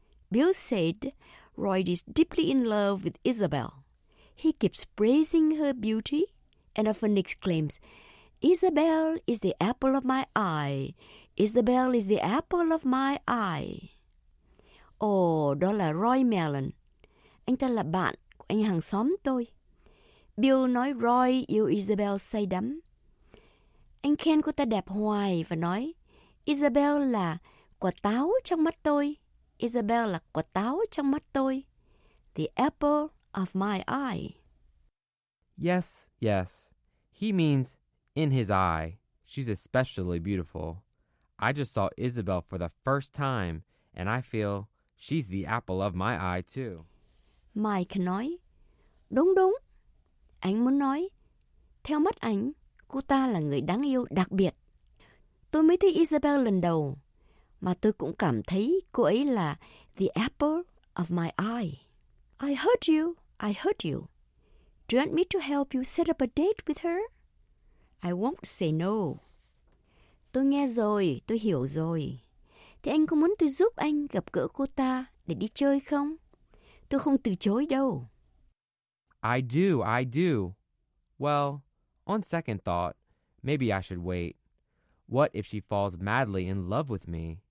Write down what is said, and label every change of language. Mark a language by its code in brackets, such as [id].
[en] Bill said Roy is deeply in love with Isabel. He keeps praising her beauty and often exclaims, Isabel is the apple of my eye. Isabel is the apple of my eye. [vi] Oh, đó là Roy Mellon. Anh ta là bạn của anh hàng xóm tôi. Bill nói Roy yêu Isabel say đắm. Anh khen cô ta đẹp hoài và nói, Isabel là quả táo trong mắt tôi. Isabel là quả táo trong mắt tôi. [en] The apple of my eye. Yes, yes. He means in his eye. She's especially beautiful. I just saw Isabel for the first time, and I feel she's the apple of my eye, too. [vi] Mike nói, đúng đúng. Anh muốn nói, theo mắt anh, cô ta là người đáng yêu đặc biệt. Tôi mới thấy Isabel lần đầu, mà tôi cũng cảm thấy cô ấy là [en] the apple of my eye. I heard you, I heard you. Do you want me to help you set up a date with her? I won't say no. [vi] Tôi nghe rồi, tôi hiểu rồi. Thế anh có muốn tôi giúp anh gặp gỡ cô ta để đi chơi không? Tôi không từ chối đâu. [en] I do, I do. Well, on second thought, maybe I should wait. What if she falls madly in love with me?